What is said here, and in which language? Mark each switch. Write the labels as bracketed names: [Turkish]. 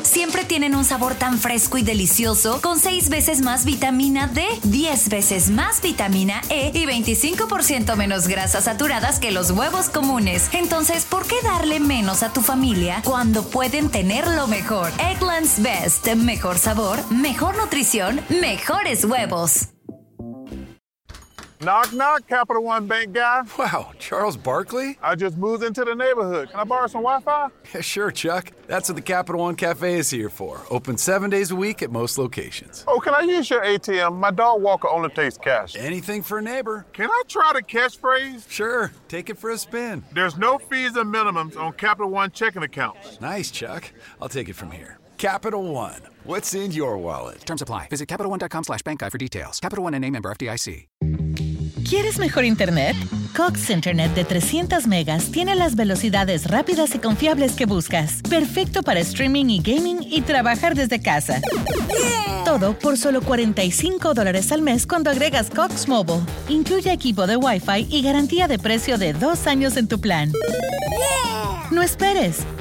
[Spanish] Siempre tienen un sabor tan fresco y delicioso, con 6 veces más vitamina D, 10 veces más vitamina E y 25% menos grasas saturadas que los huevos comunes. Entonces, ¿por qué darle menos a tu familia cuando pueden tener lo mejor? Eggland's Best. Mejor sabor, mejor nutrición, mejores huevos. [English] Knock, knock, Capital One Bank guy. Wow, Charles Barkley? I just moved into the neighborhood. Can I borrow some Wi-Fi? Yeah, sure, Chuck. That's what the Capital One Cafe is here for. Open 7 days a week at most locations. Oh, can I use your ATM? My dog Walker only takes cash. Anything for a neighbor. Can I try the cash phrase? Sure, take it for a spin. There's no fees or minimums on Capital One checking accounts. Nice, Chuck. I'll take it from here. Capital One. What's in your wallet? Terms apply. Visit CapitalOne.com/bankguy for details. Capital One and a member FDIC. [Spanish] ¿Quieres mejor internet? Cox Internet de 300 megas tiene las velocidades rápidas y confiables que buscas. Perfecto para streaming y gaming y trabajar desde casa. Todo por solo $45 al mes cuando agregas Cox Mobile. Incluye equipo de Wi-Fi y garantía de precio de 2 años en tu plan. No esperes.